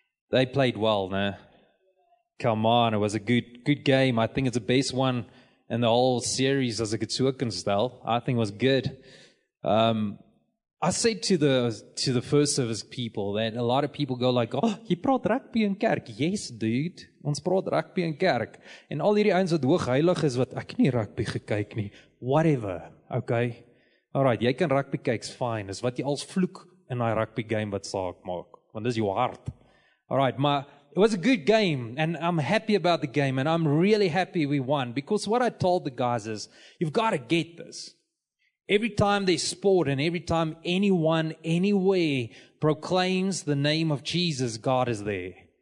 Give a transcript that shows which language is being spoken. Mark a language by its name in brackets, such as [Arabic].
[English] They played well, né? Come on, it was a good game. I think it's the best one in the whole series as a Gatsuakan style. I think it was good. I said to the first service people that a lot of people go like, oh, [Afrikaans] jy praat rugby in kerk. [English] Yes, dude. [Afrikaans] Ons praat rugby in kerk. En al hierdie ouens wat hoog heilig is, wat ek nie rugby gekyk nie. [English] Whatever. Okay. [Afrikaans] Alright, jy kan rugby kyk, is fine. Is wat jy als vloek in die rugby game wat saak maak. Want dis jou hart. Alright, maar... [English] It was a good game, and I'm happy about the game, and I'm really happy we won, because what I told the guys is, you've got to get this. Every time there's sport, and every time anyone, anywhere, proclaims the name of Jesus, God is there.